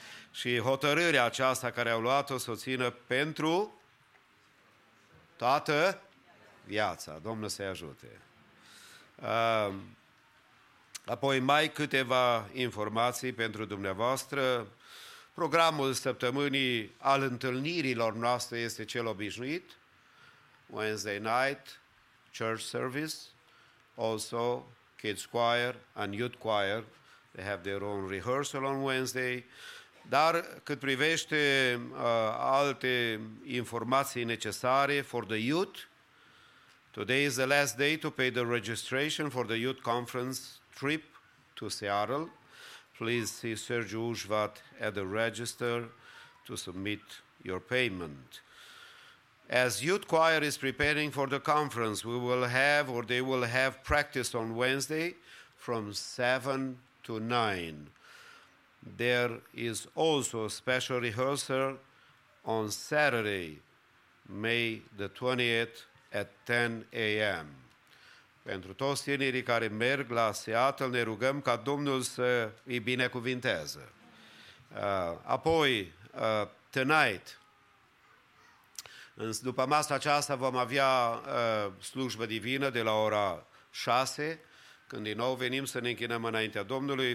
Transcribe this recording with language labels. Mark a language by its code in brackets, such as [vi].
[ro] Și hotărârea aceasta care au luat-o să o țină pentru toată viața. Domnul să-i ajute. Apoi mai câteva informații pentru dumneavoastră. Programul săptămânii al întâlnirilor noastre este cel obișnuit. [en] Wednesday night, church service, also kids choir and youth choir. They have their own rehearsal on Wednesday. [ro] Dar cât privește alte informații necesare [en] for the youth, today is the last day to pay the registration for the youth conference trip to Seattle. Please see Sergiu Ușvat at the register to submit your payment. As youth choir is preparing for the conference, we will have, or they will have, practice on Wednesday from 7 to 9. There is also a special rehearsal on Saturday, May the 28th at 10 a.m. [ro] Pentru toți tinerii care merg la Seattle, ne rugăm ca Domnul să îi binecuvinteze. Apoi, [en] tonight, [ro] după masa aceasta vom avea slujbă divină de la ora 6, când din nou venim să ne închinăm înaintea Domnului.